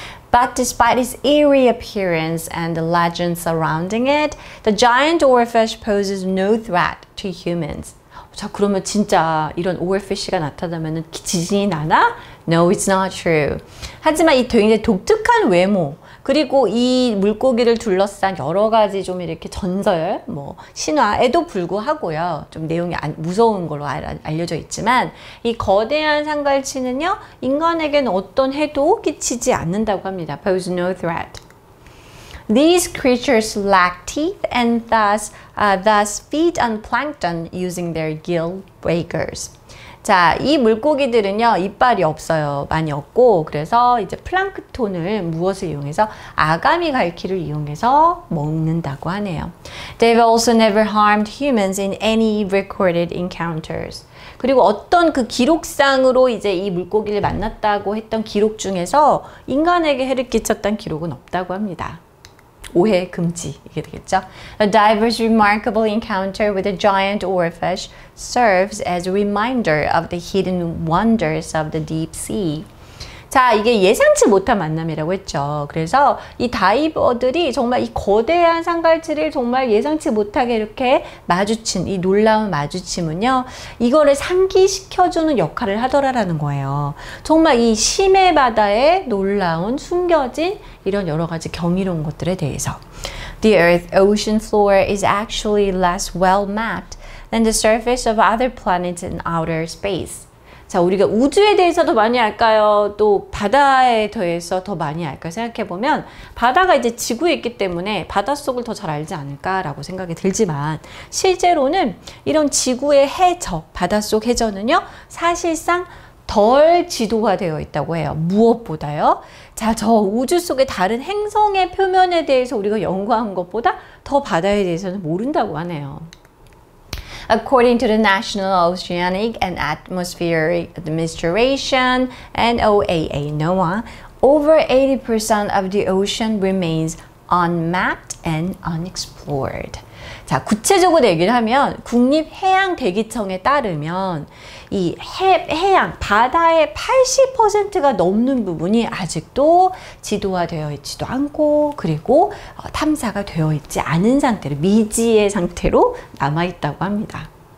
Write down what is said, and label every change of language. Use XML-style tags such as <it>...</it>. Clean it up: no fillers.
<en>But despite its eerie appearance and the legends surrounding it, the giant oarfish poses no threat to humans.</en> <ko>자, 그러면 진짜 이런 오월피쉬가 나타나면 지진이 나나?</ko> <en>No, it's not true.</en> <ko>하지만 이 굉장히 독특한 외모, 그리고 이 물고기를 둘러싼 여러 가지 좀 이렇게 전설, 뭐 신화에도 불구하고요. 좀 내용이 무서운 걸로 알려져 있지만 이 거대한 상갈치는요, 인간에게는 어떤 해도 끼치지 않는다고 합니다.</ko> <en>Pose no threat. These creatures lack teeth and thus feed on plankton using their gill breakers.</en> <ko>자, 이 물고기들은요, 이빨이 없어요. 많이 없고, 그래서 이제 플랑크톤을 무엇을 이용해서? 아가미 갈퀴를 이용해서 먹는다고 하네요.</ko> <en>They've also never harmed humans in any recorded encounters.</en> <ko>그리고 어떤 그 기록상으로 이제 이 물고기를 만났다고 했던 기록 중에서 인간에게 해를 끼쳤던 기록은 없다고 합니다. 오해 금지 이게 되겠죠.</ko> <en>A diver's remarkable encounter with a giant oarfish serves as a reminder of the hidden wonders of the deep sea.</en> <ko>자, 이게 예상치 못한 만남이라고 했죠. 그래서 이 다이버들이 정말 이 거대한 상갈치를 정말 예상치 못하게 이렇게 마주친 이 놀라운 마주침은요, 이거를 상기시켜주는 역할을 하더라라는 거예요. 정말 이 심해 바다에 놀라운 숨겨진 이런 여러 가지 경이로운 것들에 대해서.</ko> <en>The Earth ocean floor is actually less well mapped than the surface of other planets in outer space.</en> <ko>자, 우리가 우주에 대해서 더 많이 알까요? 또 바다에 대해서 더 많이 알까 생각해보면 바다가 이제 지구에 있기 때문에 바다 속을 더 잘 알지 않을까라고 생각이 들지만 실제로는 이런 지구의 해저, 바다 속 해저는요 사실상 덜 지도가 되어 있다고 해요. 무엇보다요? 자, 저 우주 속의 다른 행성의 표면에 대해서 우리가 연구한 것보다 더 바다에 대해서는 모른다고 하네요.</ko> <en>According to the National Oceanic and Atmospheric Administration, NOAA, NOAA, over 80% of the ocean remains unmapped and unexplored.</en> <ko>자, 구체적으로 얘기를 하면 국립해양대기청에 따르면 이 해양, 바다의 80%가 넘는 부분이 아직도 지도화 되어 있지도 않고 그리고 탐사가 되어 있지 않은 상태로 미지의 상태로 남아있다고 합니다.</ko>